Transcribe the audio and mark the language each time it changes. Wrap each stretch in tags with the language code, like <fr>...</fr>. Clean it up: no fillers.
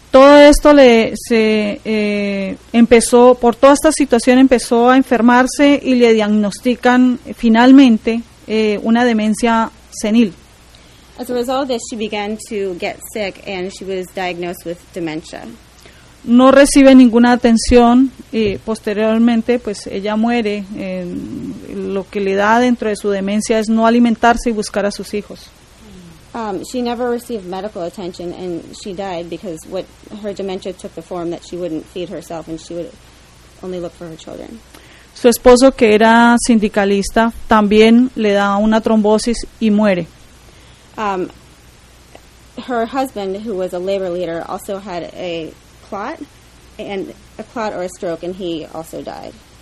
<es>Todo esto empezó, por toda esta situación empezó a enfermarse y le diagnostican finalmente una demencia senil.</es> <en>As a result of this, she began to get sick and she was diagnosed with dementia.</en> <es>No recibe ninguna atención y posteriormente pues ella muere. Lo que le da dentro de su demencia es no alimentarse y buscar a sus hijos.</es> <en>She never received medical attention and she died because what her dementia took the form that she wouldn't feed herself and she would only look for her children.</en> <es>Su esposo, que era sindicalista, también le da una trombosis y muere.</es> <en>Her husband, who was a labor leader, also had a clot or a stroke and he also died.</en>